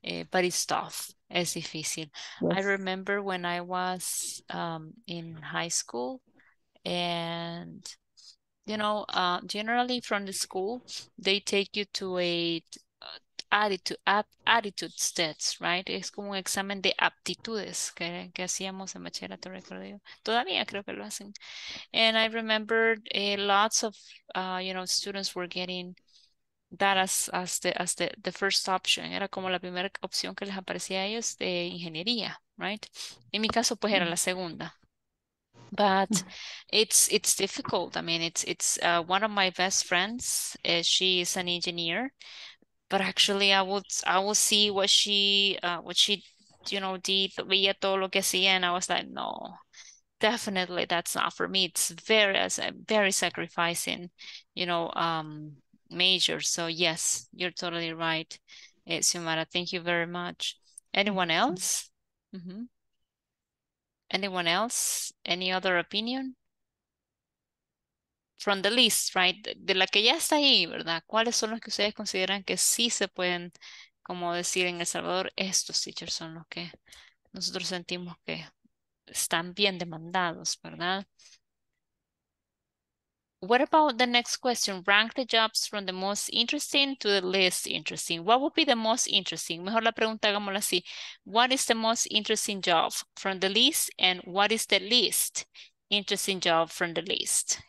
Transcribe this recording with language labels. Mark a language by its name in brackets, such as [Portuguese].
[English] But it's tough, it's difícil. Yes. I remember when I was in high school, and you know, generally from the school, they take you to a aptitudes tests, right? [Spanish] Es como un examen de aptitudes que hacíamos en bachillerato, recuerdo yo. Todavía creo que lo hacen. [English] And I remembered lots of, you know, students were getting that as the first option. [Spanish] Era como la primera opción que les aparecía a ellos de ingeniería, right? En mi caso, pues era la segunda. [English] But it's difficult. I mean, it's one of my best friends. She is an engineer. But actually, I would see what she did, [Spanish] veía todo lo que hacía, [English] and I was like, no, definitely that's not for me. It's very, very sacrificing, you know, major. So yes, you're totally right, Xiomara. Thank you very much. Anyone else? Mm-hmm. Anyone else? Any other opinion? From the list, right? [Spanish] De la que ya está ahí, ¿verdad? ¿Cuáles son los que ustedes consideran que sí se pueden, como decir en El Salvador, estos teachers son los que nosotros sentimos que están bien demandados, ¿verdad? [English] What about the next question? Rank the jobs from the most interesting to the least interesting. What would be the most interesting? [Spanish] Mejor la pregunta, hagámosla así. [English] What is the most interesting job from the least, and what is the least interesting job from the list?